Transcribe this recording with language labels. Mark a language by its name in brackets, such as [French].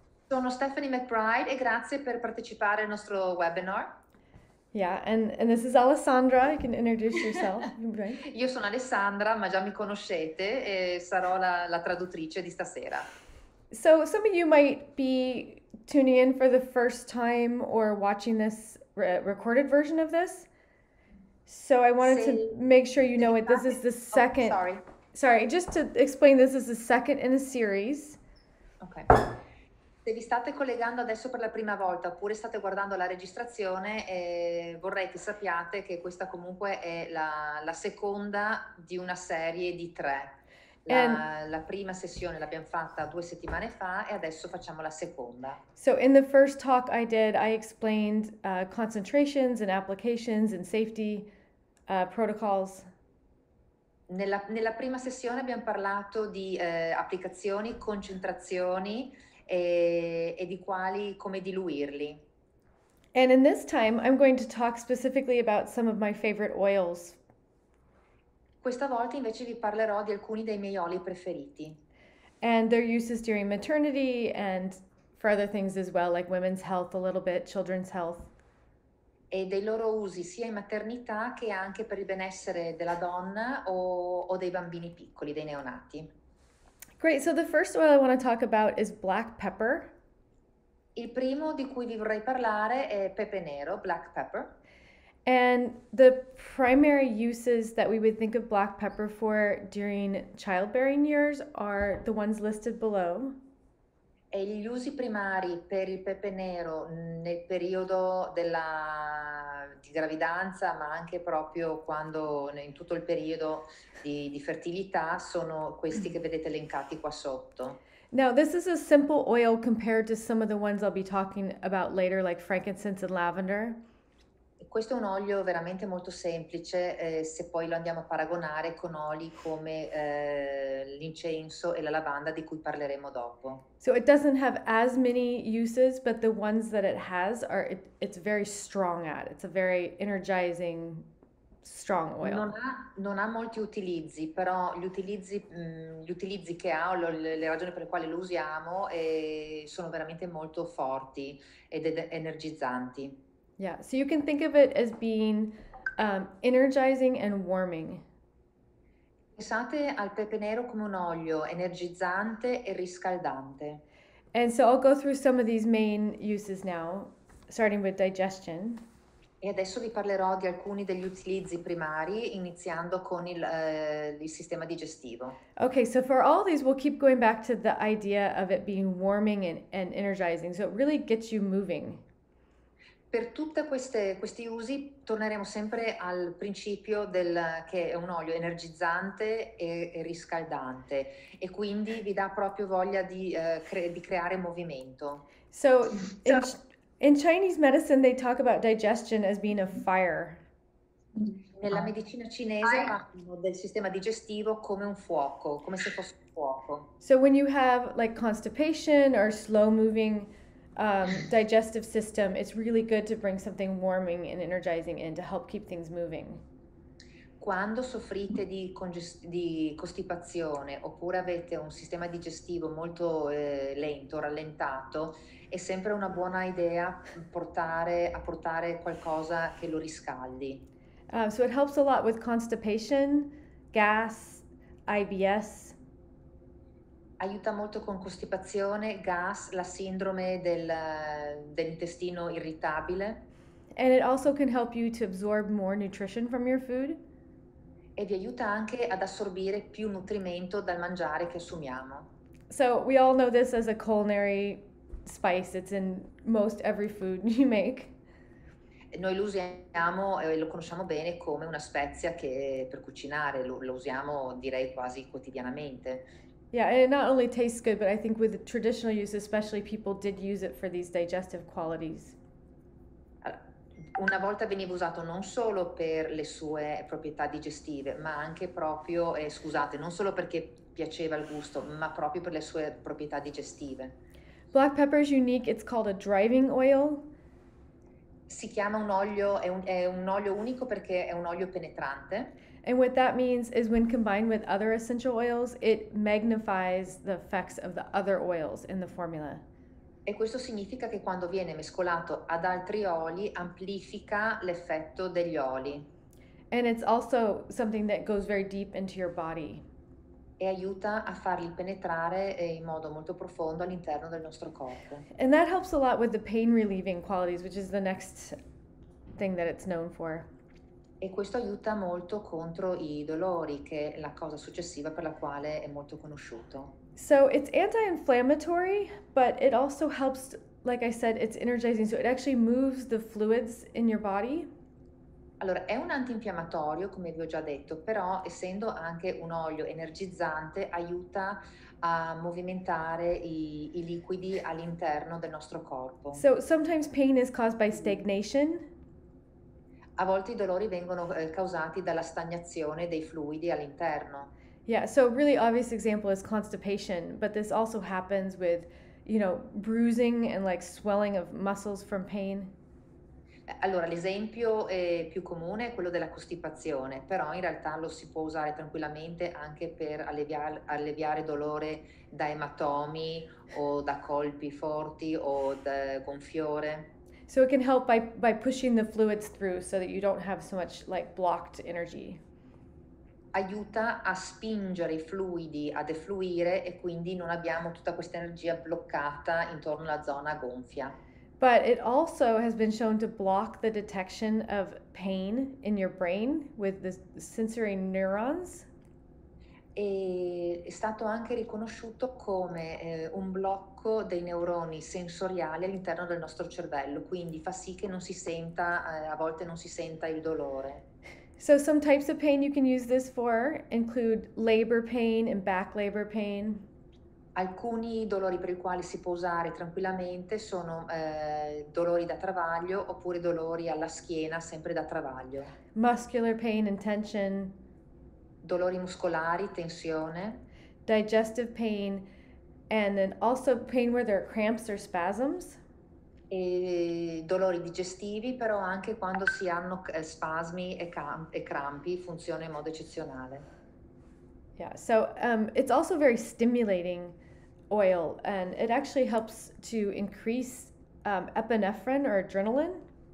[Italian] Sono Stephanie McBride e grazie per partecipare al nostro webinar. [English] Yeah, and this is Alessandra. You can introduce yourself. Right. [Italian] Io sono Alessandra, ma già mi conoscete e sarò la traduttrice di stasera. [English] So some of you might be tuning in for the first time or watching this recorded version of this. So I wanted to make sure you know it. This is the second. Oh, sorry. Sorry, just to explain, this is the second in a series. Okay. [Italian] Se vi state collegando adesso per la prima volta oppure state guardando la registrazione, vorrei che sappiate che questa comunque è la seconda di una serie di tre. La prima sessione l'abbiamo fatta due settimane fa e adesso facciamo la seconda. [English] So in the first talk I did, I explained concentrations and applications and safety protocols. [Italian] Nella prima sessione abbiamo parlato di applicazioni, concentrazioni e di quali, come diluirli. [English] And in this time I'm going to talk specifically about some of my favorite oils. [Italian] Questa volta invece vi parlerò di alcuni dei miei oli preferiti. [English] And their uses during maternity and for other things as well, like women's health a little bit, children's health. [Italian] E dei loro usi sia in maternità che anche per il benessere della donna o dei bambini piccoli, dei neonati. [English] Great, so the first oil I want to talk about is black pepper. [Italian] Il primo di cui vi vorrei parlare è pepe nero, black pepper. [English] And the primary uses that we would think of black pepper for during childbearing years are the ones listed below. [Italian] E gli usi primari per il pepe nero nel periodo di gravidanza, ma anche proprio quando in tutto il periodo di fertilità, sono questi che vedete elencati qua sotto. [English] Now, this is a simple oil compared to some of the ones I'll be talking about later, like frankincense and lavender. [Italian] Questo è un olio veramente molto semplice, se poi lo andiamo a paragonare con oli come l'incenso e la lavanda di cui parleremo dopo. [English] So it doesn't have as many uses, but the ones that it has are it's very strong at. It's a very energizing strong oil. [Italian] Non ha molti utilizzi, però gli utilizzi che ha, le ragioni per le quali lo usiamo sono veramente molto forti ed energizzanti. [English] Yeah, so you can think of it as being energizing and warming. [Italian] Pensate al pepe nero come un olio energizzante e riscaldante. [English] And so I'll go through some of these main uses now, starting with digestion. [Italian] E adesso vi parlerò di alcuni degli utilizzi primari, iniziando con il sistema digestivo. [English] Okay, so for all these we'll keep going back to the idea of it being warming and energizing. So it really gets you moving. [Italian] Per tutte questi usi torneremo sempre al principio che è un olio energizzante e riscaldante e quindi vi dà proprio voglia di creare movimento. [English] So in Chinese medicine they talk about digestion as being a fire. [Italian] Nella medicina cinese parlano del sistema digestivo come un fuoco, come se fosse un fuoco. [English] So when you have like constipation or slow moving digestive system, it's really good to bring something warming and energizing in to help keep things moving. [Italian] Quando soffrite di costipazione oppure avete un sistema digestivo molto lento, rallentato, è sempre una buona idea portare qualcosa che lo riscaldi. [English] So it helps a lot with constipation, gas, IBS. [Italian] Aiuta molto con costipazione, gas, la sindrome dell'intestino irritabile. [English] And it also can help you to absorb more nutrition from your food. [Italian] E vi aiuta anche ad assorbire più nutrimento dal mangiare che assumiamo. [English] So we all know this as a culinary spice. It's in most every food you make. [Italian] Noi lo usiamo e lo conosciamo bene come una spezia che per cucinare. Lo usiamo, direi, quasi quotidianamente. [English] Yeah, and it not only tastes good, but I think with the traditional use, especially, people did use it for these digestive qualities. [Italian] Una volta veniva usato non solo per le sue proprietà digestive, ma anche proprio, scusate, non solo perché piaceva il gusto, ma proprio per le sue proprietà digestive. [English] Black pepper is unique, it's called a driving oil. [Italian] Si chiama un olio, è un olio unico perché è un olio penetrante. [English] And what that means is when combined with other essential oils, it magnifies the effects of the other oils in the formula. [Italian] E questo significa che quando viene mescolato ad altri oli, amplifica l'effetto degli oli. [English] And it's also something that goes very deep into your body. [Italian] E aiuta a farli penetrare in modo molto profondo all'interno del nostro corpo. [English] And that helps a lot with the pain relieving qualities, which is the next thing that it's known for. [Italian] E questo aiuta molto contro i dolori, che è la cosa successiva per la quale è molto conosciuto. [English] So it's anti-inflammatory, but it also helps, like I said, it's energizing, so it actually moves the fluids in your body. [Italian] Allora, è un antinfiammatorio, come vi ho già detto, però essendo anche un olio energizzante, aiuta a movimentare i liquidi all'interno del nostro corpo. [English] So sometimes pain is caused by stagnation. [Italian] A volte i dolori vengono causati dalla stagnazione dei fluidi all'interno. [English] Yeah, so a really obvious example is constipation, but this also happens with, you know, bruising and like swelling of muscles from pain. [Italian] Allora, l'esempio più comune è quello della costipazione, però in realtà lo si può usare tranquillamente anche per alleviare dolore da ematomi o da colpi forti o da gonfiore. [English] So it can help by pushing the fluids through so that you don't have so much like blocked energy. [Italian] Aiuta a spingere i fluidi a defluire e quindi non abbiamo tutta questa energia bloccata intorno alla zona gonfia. [English] But it also has been shown to block the detection of pain in your brain with the sensory neurons. [Italian] E è stato anche riconosciuto come un blocco dei neuroni sensoriali all'interno del nostro cervello, quindi fa sì che non si senta, a volte non si senta il dolore. [English] So some types of pain you can use this for include labor pain and back labor pain. [Italian] Alcuni dolori per i quali si può usare tranquillamente sono dolori da travaglio oppure dolori alla schiena, sempre da travaglio. [English] Muscular pain and tension. [Italian] Dolori muscolari, tensione. [English] Digestive pain, and then also pain where there are cramps or spasms. [Italian] E dolori digestivi, però anche quando si hanno spasmi e crampi, funziona in modo eccezionale. [English] Yeah, so it's also very stimulating oil, and it actually helps to increase epinephrine or adrenaline.